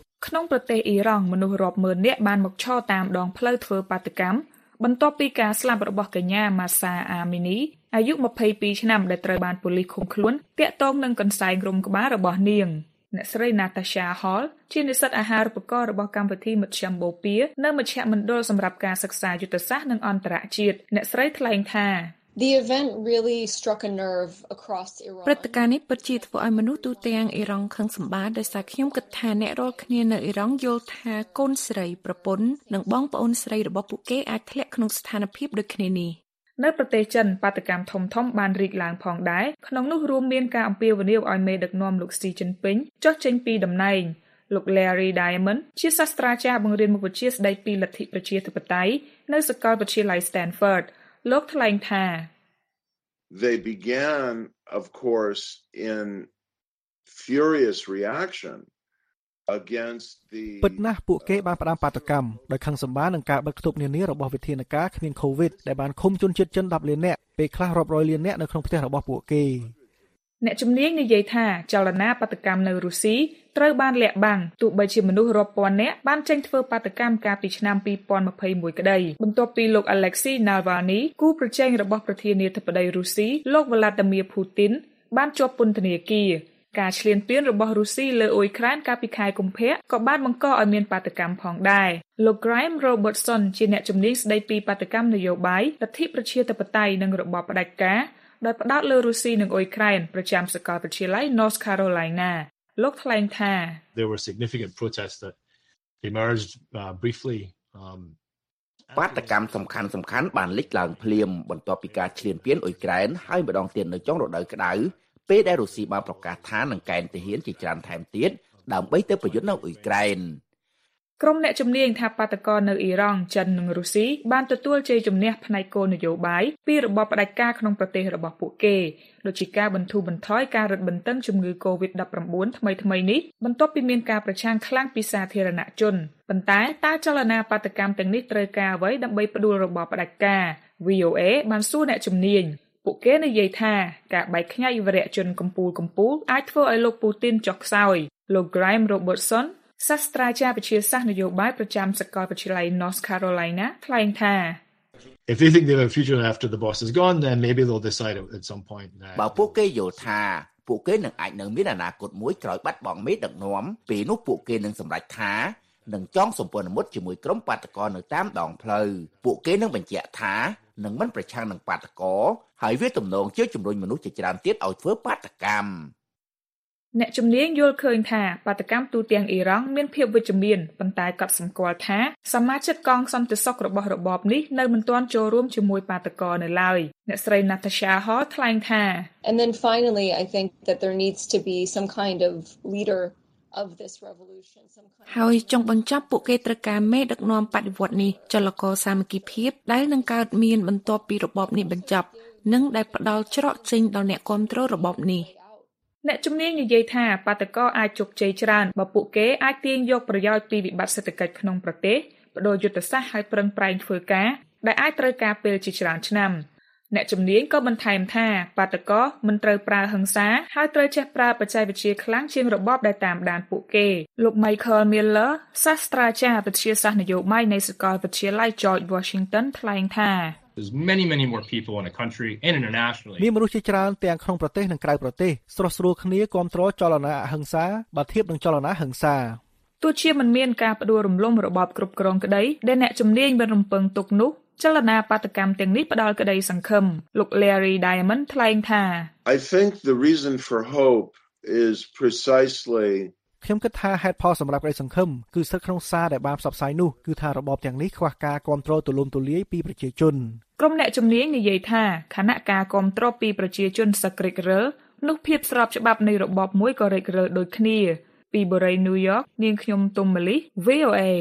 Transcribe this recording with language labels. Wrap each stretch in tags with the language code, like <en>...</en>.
<km>ក្នុងប្រទេសអ៊ីរ៉ង់មនុស្សរាប់ម៉ឺននាក់បានមកឈរតាមដងផ្លូវធ្វើបាតកម្មបន្ទាប់ពីការស្លាប់របស់កញ្ញាម៉ាសាអាមីនីអាយុ22ឆ្នាំដែលត្រូវបានប៉ូលីសឃុំខ្លួនទាក់ទងនឹងកន្សែងរុំក្បាលរបស់នាងអ្នកស្រីណាតាសាហុលជានិស្សិតអាហារូបករណ៍របស់កម្មវិធីមជ្ឈមបូពានៅមជ្ឈមណ្ឌលសម្រាប់ការសិក្សាយុទ្ធសាស្ត្រនិងអន្តរជាតិអ្នកស្រីថ្លែងថា</km> <en>The event really struck a nerve across Iran.</en> <km>ព្រឹត្តិការណ៍នេះពិតជាធ្វើឲ្យមនុស្សទូទាំងអ៊ីរ៉ង់ខឹងសម្បារដោយសារខ្ញុំគិតថាអ្នករាល់គ្នានៅអ៊ីរ៉ង់យល់ថាកូនស្រីប្រពន្ធនិងបងប្អូនស្រីរបស់ពួកគេអាចធ្លាក់ក្នុងស្ថានភាពដូចគ្នានេះ។ នៅប្រទេសចិនបាតុកម្មធំធំបានរីកឡើងផងដែរក្នុងនោះរួមមានការអំពាវនាវឲ្យមេដឹកនាំលោកស៊ីជិនពីងចុះចេញពីតំណែងលោក Larry Diamond ជាសាស្ត្រាចារ្យបង្រៀនមុខវិជ្ជាស្តីពីលទ្ធិប្រជាធិបតេយ្យនៅសាកលវិទ្យាល័យ Stanford លោកថ្លែងថា</km> <en>They began of course in furious reaction against the</en> <km>ពិតណាស់ពួកគេបានផ្ដាំបាតុកម្មដោយខឹងសម្បារនឹងការបិទគប់នានារបស់វិធានការគ្មានកូវីដដែលបានឃុំជនជាតិចិន10លាននាក់ពេលខ្លះរាប់រយលាននាក់នៅក្នុងផ្ទះរបស់ពួកគេ អ្នកជំនាញនិយាយថាចលនាបាតុកម្មនៅរុស្ស៊ីត្រូវបានលាក់បាំងទោះបីជាមនុស្សរាប់ពាន់នាក់បានចេញធ្វើបាតុកម្មកាលពីឆ្នាំ 2021ក្តីបន្ទាប់ពីលោក Alexei Navalny គូប្រជែងរបស់ប្រធានាធិបតីរុស្ស៊ីលោក Vladimir Putin បានជាប់ពន្ធនាគារការឈ្លានពានរបស់រុស្ស៊ីលើអ៊ុយក្រែនកាលពីខែកុម្ភៈក៏បានបង្កឲ្យមានបាតុកម្មផងដែរលោក Graham Robertson ជាអ្នកជំនាញស្ដីពីបាតុកម្មនយោបាយលទ្ធិប្រជាធិបតេយ្យនិងរបបផ្ដាច់ការដោយផ្ដោតលើរុស្ស៊ីនិងអ៊ុយក្រែនប្រចាំសាកលវិទ្យាល័យ North Carolina លោកថ្លែងថា</km> <en>There were significant protests that emerged briefly</en> <km>បាតុកម្មសំខាន់បានលេចឡើងភ្លាមបន្ទាប់ពីការឈ្លានពានអ៊ុយក្រែនហើយម្ដងទៀតនៅចុងរដូវក្តៅពេលដែលរុស្ស៊ីបានប្រកាសថានឹងកេណ្ឌទាហានជាច្រើនថែមទៀតដើម្បីទៅប្រយុទ្ធនៅអ៊ុយក្រែន ក្រុមអ្នកជំនាញថាបាតុករនៅអ៊ីរ៉ង់ចិននិងរុស្ស៊ីបានទទួលជ័យជំនះផ្នែកគោលនយោបាយពីរបបផ្ដាច់ការក្នុងប្រទេសរបស់ពួកគេ ដូចជាការបន្ធូរបន្ថយការរឹតបន្តឹងជំងឺ COVID-19 ថ្មីៗនេះបន្ទាប់ពីមានការប្រឆាំងខ្លាំងពីសាធារណជនប៉ុន្តែតើចលនាបាតុកម្មទាំងនេះត្រូវការអ្វីដើម្បីផ្ដួលរបបផ្ដាច់ការ VOA បានសួរអ្នកជំនាញពួកគេនិយាយថាការបែកខ្ញែកវរៈជនកំពូលអាចធ្វើឲ្យលោកពូទីនចុះខ្សោយលោក Graham Robertson សាស្ត្រាចារ្យវិទ្យាសាស្ត្រនយោបាយប្រចាំសាកលវិទ្យាល័យ North Carolina ថ្លែងថា</km> <en>If you think they have a future after the boss is gone then maybe they'll decide at some point that</en> <km>បើពួកគេយល់ថាពួកគេនឹងអាចនៅមានអនាគតមួយក្រោយបាត់បង់មេដឹកនាំពេលនោះពួកគេនឹងសម្រេចថានឹងចងសម្ព័ន្ធមិត្តជាមួយក្រុមបាតុករនៅតាមដងផ្លូវពួកគេនឹងបញ្ជាក់ថានឹងមិនប្រឆាំងនឹងបាតុករហើយវាទំនងជាជំរុញមនុស្សជាច្រើនទៀតឲ្យធ្វើបាតុកម្ម អ្នកជំនាញយល់ឃើញថាបាតុកម្មទូទាំងអ៊ីរ៉ង់មានភាពវិជ្ជមានប៉ុន្តែក៏សម្គាល់ថាសមាជិកកងសន្តិសុខរបស់របបនេះនៅមិនទាន់ចូលរួមជាមួយបាតុករនៅឡើយអ្នកស្រី Natasha Ho ថ្លែងថា</km> <en>And then finally I think that there needs to be some kind of leader of this revolution some kind</en> <km>ហើយចង់បញ្ចប់ពួកគេត្រូវការមេដឹកនាំបដិវត្តនេះចលករសាមគ្គីភាពដែលនឹងកើតមានបន្ទាប់ពីរបបនេះបញ្ចប់នឹងដែលផ្ដល់ច្រកចេញដល់អ្នកគ្រប់គ្រងរបបនេះ អ្នកជំនាញនិយាយថាបាតុករអាចជោគជ័យច្រើនបើពួកគេអាចទាញយកប្រយោជន៍ពីវិបត្តិសេដ្ឋកិច្ចក្នុងប្រទេសបដូរយុទ្ធសាស្ត្រឲ្យប្រឹងប្រែងធ្វើការដែលអាចត្រូវការពេលជាច្រើនឆ្នាំអ្នកជំនាញក៏បន្ថែមថាបាតុករមិនត្រូវប្រើហិង្សាហើយត្រូវចេះប្រើបច្ចេកវិទ្យាខ្លាំងជាងរបបដែលតាមដានពួកគេលោក Michael Miller សាស្ត្រាចារ្យវិទ្យាសាស្ត្រនយោបាយនៃសាកលវិទ្យាល័យ George Washington ថ្លែងថា</km> <en>There's many, many more people in a country and internationally.</en> <km>មានមនុស្សជាច្រើនទាំងក្នុងប្រទេសនិងក្រៅប្រទេសស្រស់ស្រួលគ្នាគ្រប់គ្រងចលនាអហិង្សាបើធៀបនឹងចលនាហិង្សា ទោះជាមិនមានការផ្ដួលរំលំរបបគ្រប់គ្រងក្តីដែលអ្នកជំនាញបានរំពឹងទុកនោះចលនាបាតុកម្មទាំងនេះផ្ដល់ក្តីសង្ឃឹមលោក Larry Diamond ថ្លែងថា</km> <en>I think the reason for hope is precisely</en> <km>ខ្ញុំគិតថាហេតុផលសម្រាប់ក្តីសង្ឃឹមគឺស្ថិតក្នុងសារដែលបានផ្សព្វផ្សាយនោះគឺថារបបទាំងនេះខ្វះការគ្រប់គ្រងទូលំទូលាយពីប្រជាជន ក្រុមអ្នកជំនាញនិយាយថាខណៈការគ្រប់គ្រងពីប្រជាជនសក្តិរិលនោះភាពស្របច្បាប់នៃរបបមួយក៏រិចរិលដូចគ្នាពីបូរីញូវយ៉កនាងខ្ញុំទុំម៉ាលី VOA</km>